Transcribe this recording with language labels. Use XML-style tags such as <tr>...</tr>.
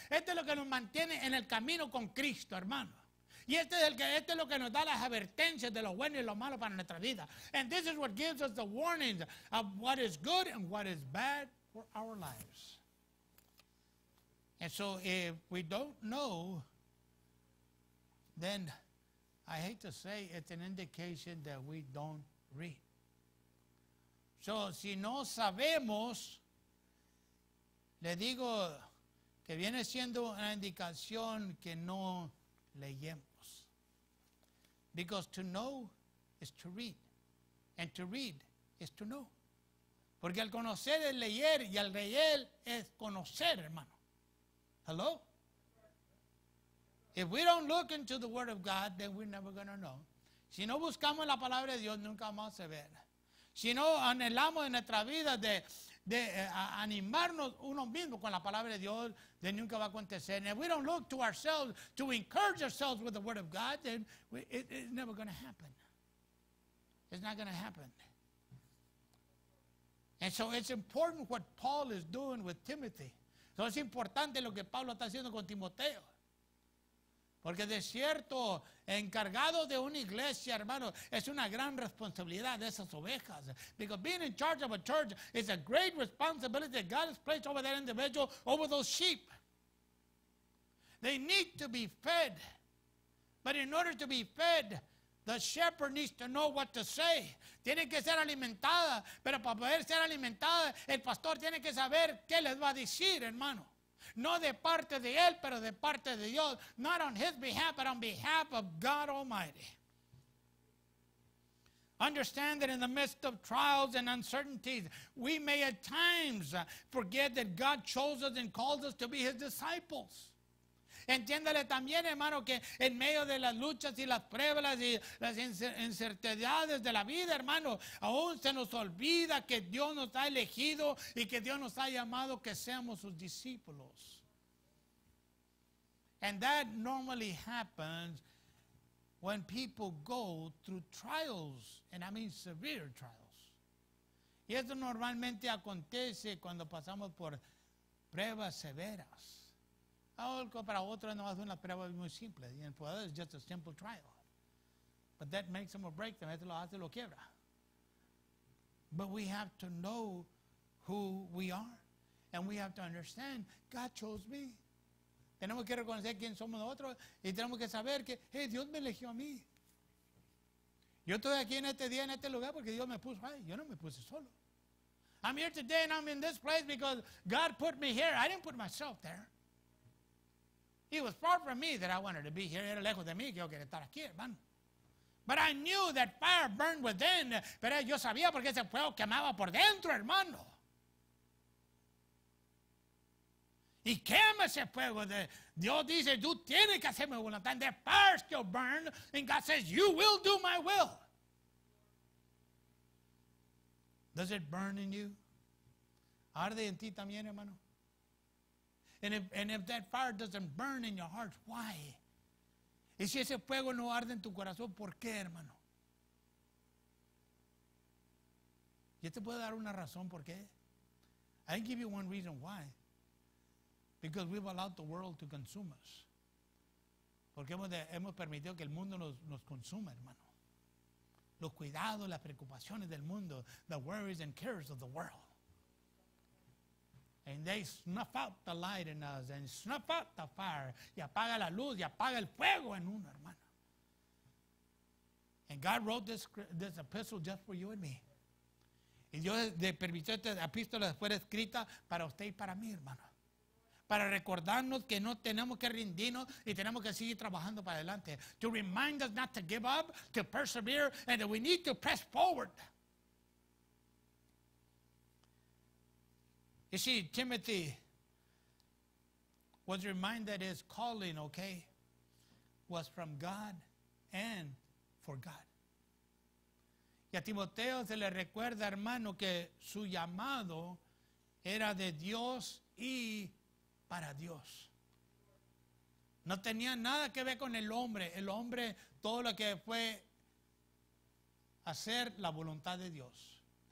<es>Esto es lo que nos mantiene en el camino con Cristo, hermano. Y este es lo que nos da las advertencias de lo bueno y lo malo para nuestra vida.</es> <en>And this is what gives us the warnings of what is good and what is bad for our lives. And so if we don't know, then I hate to say it's an indication that we don't read.</en> <es>So si no sabemos, le digo que viene siendo una indicación que no leemos.</es> <en>Because to know is to read. And to read is to know.</en> <es>Porque al conocer es leer y al leer es conocer, hermano.</es> <en>Hello? If we don't look into the Word of God, then we're never going to know.</en> <es>Si no buscamos la palabra de Dios, nunca vamos a ver. Si no anhelamos en nuestra vida de animarnos uno mismo con la palabra de Dios, then nunca va a acontecer.</es> <en>And if we don't look to ourselves to encourage ourselves with the word of God, then it's never going to happen. It's not going to happen. And so it's important what Paul is doing with Timothy.</en> <es>So es importante lo que Pablo está haciendo con Timoteo. Porque de cierto, encargado de una iglesia, hermano, es una gran responsabilidad de esas ovejas.</es> <en>Because being in charge of a church is a great responsibility that God has placed over that individual, over those sheep. They need to be fed. But in order to be fed, the shepherd needs to know what to say.</en> <es>Tiene que ser alimentada. Pero para poder ser alimentada, el pastor tiene que saber qué les va a decir, hermano. No de parte de él, pero de parte de Dios.</es> <en>Not on his behalf, but on behalf of God Almighty. Understand that in the midst of trials and uncertainties, we may at times forget that God chose us and called us to be his disciples.</en> <es>Entiéndale también, hermano, que en medio de las luchas y las pruebas y las incertidumbres de la vida, hermano, aún se nos olvida que Dios nos ha elegido y que Dios nos ha llamado que seamos sus discípulos.</es> <en>And that normally happens when people go through trials, and I mean severe trials.</en> <es>Y eso normalmente acontece cuando pasamos por pruebas severas. Para otros no es una prueba muy simple.</es> <en>For others, it's just a simple trial. But that makes them or break them.</en> <es>Eso lo hace, lo quiebra.</es> <en>But we have to know who we are. And we have to understand, God chose me.</en> <es>Tenemos que reconocer quién somos nosotros. Y tenemos que saber que, hey, Dios me eligió a mí. Yo estoy aquí en este día, en este lugar, porque Dios me puso ahí. Yo no me puse solo.</es> <en>I'm here today and I'm in this place because God put me here. I didn't put myself there. It was far from me that I wanted to be here.</en> <es>Era lejos de mí que yo quería estar aquí, hermano.</es> <en>But I knew that fire burned within.</en> <es>Pero yo sabía porque ese fuego quemaba por dentro, hermano. Y quema ese fuego. De Dios dice, tú tienes que hacer mi voluntad.</es> <en>And the fire still burn. And God says, you will do my will. Does it burn in you?</en> <es>¿Arde en ti también, hermano?</es> <en>And if that fire doesn't burn in your heart, why?</en> <es>Y si ese fuego no arde en tu corazón, ¿por qué, hermano? Yo te puedo dar una razón por qué.</es> <en>I can give you one reason why. Because we've allowed the world to consume us.</en> <es>Porque hemos permitido que el mundo nos consuma, hermano. Los cuidados, las preocupaciones del mundo,</es> <en>the worries and cares of the world. And they snuff out the light in us and snuff out the fire.</en> <es>Y apaga la luz y apaga el fuego en uno, hermano.</es> <en>And God wrote this epistle just for you and me.</en> <es>Y Dios le permitió esta epístola que fuera escrita para usted y para mí, hermano. Para recordarnos que no tenemos que rendirnos y tenemos que seguir trabajando para adelante.</es> <en>To remind us not to give up, to persevere, and that we need to press forward. You see, Timothy was reminded that his calling, okay, was from God and for God.</en> <es>Y a Timoteo se le recuerda, hermano, que su llamado era de Dios y para Dios. No tenía nada que ver con el hombre. El hombre, todo lo que fue hacer la voluntad de Dios.</es>